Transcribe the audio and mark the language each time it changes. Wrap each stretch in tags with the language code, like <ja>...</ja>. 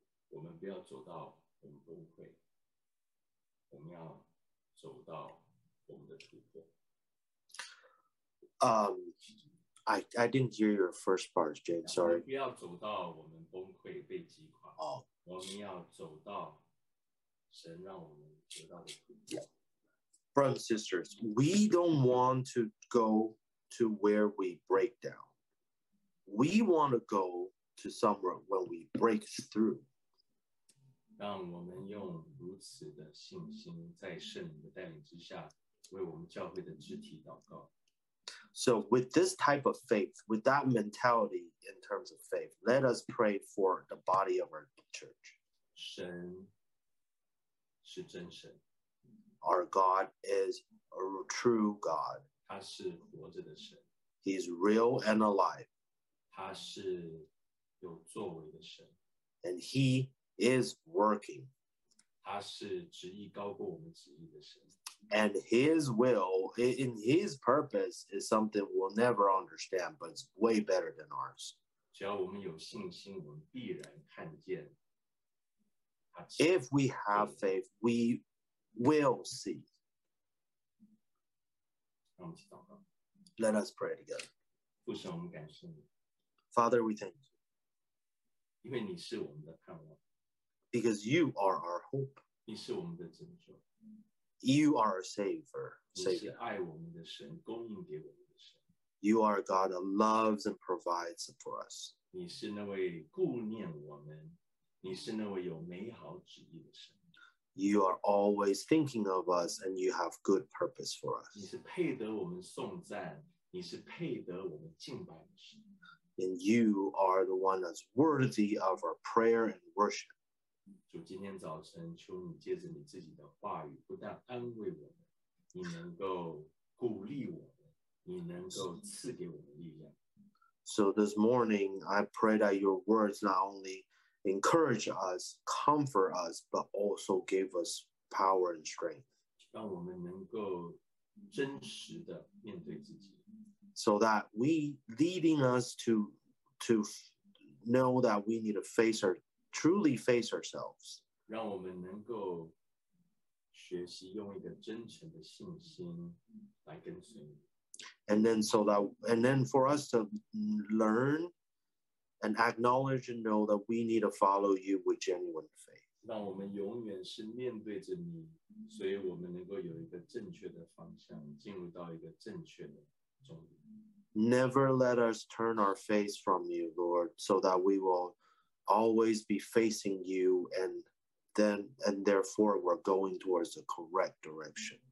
<zh>我们不要走到我们崩溃，我们要走到我们的突破。</zh> <en>I didn't hear your first part, Jane. Sorry.</en> <zh>不要走到我们崩溃被击垮。哦，我们要走到神让我们得到的突破。</zh> <en>Brothers and sisters, we don't want to go to where we break down. We want to go. To somewhere when we break through.</en> <zh>让我们用如此的信心，在圣灵的带领之下，为我们教会的肢体祷告。</zh> <en>So with this type of faith, with that mentality in terms of faith, let us pray for the body of our church.</en> <zh>神是真神。</zh> <en>Our God is a true God.</en> <zh>他是活着的神。</zh> <en>He is real and alive.</en> <zh>他是有作为的神。</zh> <en>And he is working.</en> <zh>他是旨意高过我们旨意的神。</zh> <en>And his will, in his purpose, is something we'll never understand, but it's way better than ours.</en> <zh>只要我们有信心，我们必然看见。</zh> <en>If we have faith, we will see.</en> <zh>让我们祷告。</zh> <en>Let us pray together.</en> <zh>父神，我们感谢你。</zh> <en>Father, we thank you.</en> <zh>因为你是我们的盼望。</zh> <en>Because you are our hope.</en> <zh>你是我们的拯救。</zh> <en>You are a savior.</en> <zh>你是爱我们的神，供应给我们的神。</zh> <en>You are a God that loves and provides for us.</en> <zh>你是那位顾念我们，你是那位有美好旨意的神。</zh> <en>You are always thinking of us and you have good purpose for us.</en> <zh>你是配得我们颂赞，你是配得我们敬拜的神。</zh> <en>And you are the one that's worthy of our prayer and worship.</en> <zh>主，今天早晨求你借着你自己的话语，不但安慰我们，你能够鼓励我们，你能够赐给我们力量。</zh> <en>So this morning, I pray that your words not only encourage us, comfort us, but also give us power and strength.</en> <zh>让我们能够真实地面对自己。</zh> <en>So that we leading us to know that we need to face our truly face ourselves.</en> <zh>让我们能够学习用一个真诚的信心来跟随你。</zh> <en>And then for us to learn and acknowledge and know that we need to follow you with genuine faith.</en> <zh>让我们永远是面对着你，所以我们能够有一个正确的方向，进入到一个正确的。</zh> <en>Never let us turn our face from you, Lord, so that we will always be facing you, and therefore we're going towards the correct direction.</en>